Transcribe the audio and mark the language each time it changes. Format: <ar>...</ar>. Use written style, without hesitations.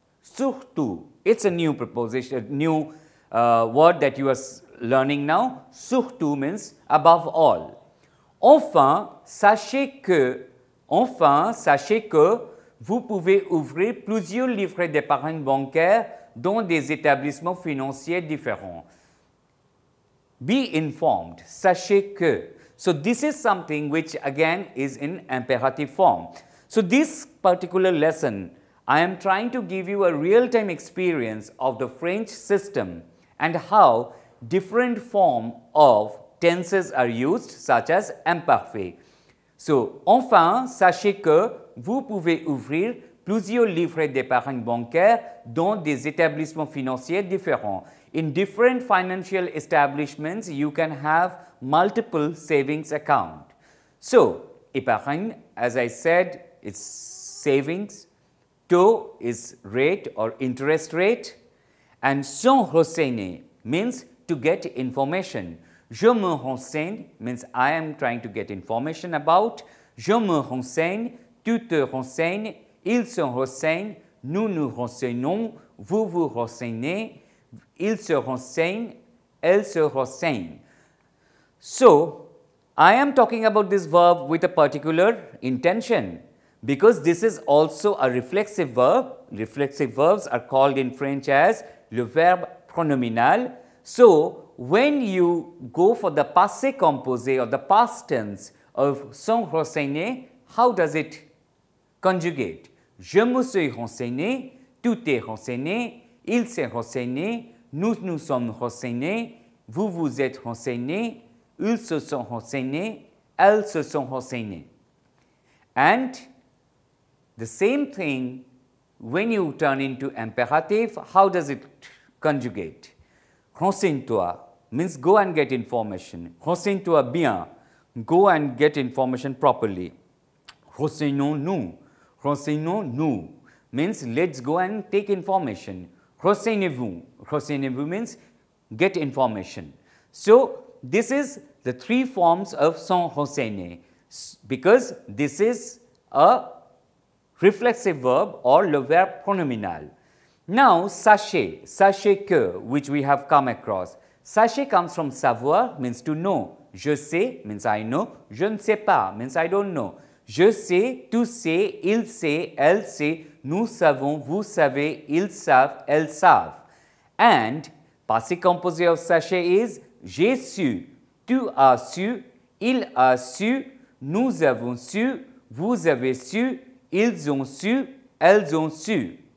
<en>Surtout, it's a new preposition, new word that you are learning now. Surtout means above all.</en> <fr>Enfin, sachez que vous pouvez ouvrir plusieurs livrets d'épargne bancaire dans des établissements financiers différents.</fr> <en>Be informed.</en> <fr>Sachez que.</fr> <en>So, this is something which again is in imperative form. So, this particular lesson, I am trying to give you a real-time experience of the French system and how different forms of tenses are used, such as imparfait.</en> <fr>So, enfin, sachez que vous pouvez ouvrir plusieurs livrets d'épargne bancaire dans des établissements financiers différents.</fr> <en>In different financial establishments, you can have multiple savings accounts. So, épargne, as I said, it's savings. Taux is rate or interest rate. And</en> <fr>sans renseigner</fr> <en>means to get information.</en> <fr>Je me renseigne</fr> <en>means I am trying to get information about.</en> <fr>Je me renseigne, tu te renseignes, ils se renseignent, nous nous renseignons, vous vous renseignez, ils se renseignent, elles se renseignent.</fr> <en>So, I am talking about this verb with a particular intention because this is also a reflexive verb. Reflexive verbs are called in French as le verbe pronominal. So, when you go for the passé composé or the past tense of se renseigner, how does it conjugate?</en> <fr>Je me suis renseigné, tu t'es renseigné, il s'est renseigné, nous nous sommes renseignés, vous vous êtes renseignés, ils se sont renseignés, elles se sont renseignées.</fr> <en>And the same thing when you turn into imperative, how does it conjugate?</en> <fr>Renseigne-toi</fr> <en>means go and get information.</en> <fr>Renseigne-toi bien,</fr> <en>go and get information properly.</en> <fr>Renseignons-nous. Renseignons-nous</fr> <en>means let's go and take information.</en> <fr>Renseignez-vous. Renseignez-vous</fr> <en>means get information. So, this is the three forms of s'en renseigner because this is a reflexive verb or le verbe pronominal. Now,</en> <fr>sachez, sachez que,</fr> <en>which we have come across.</en> <fr>Sachez</fr> <en>comes from savoir, means to know.</en> <fr>Je sais,</fr> <en>means I know.</en> <fr>Je ne sais pas,</fr> <en>means I don't know.</en> <fr>Je sais, tu sais, il sait, elle sait, nous savons, vous savez, ils savent, elles savent.</fr> <en>And, passé composé of sachez is,</en> <fr>j'ai su, tu as su, il a su, nous avons su, vous avez su, ils ont su, elles ont su.</fr>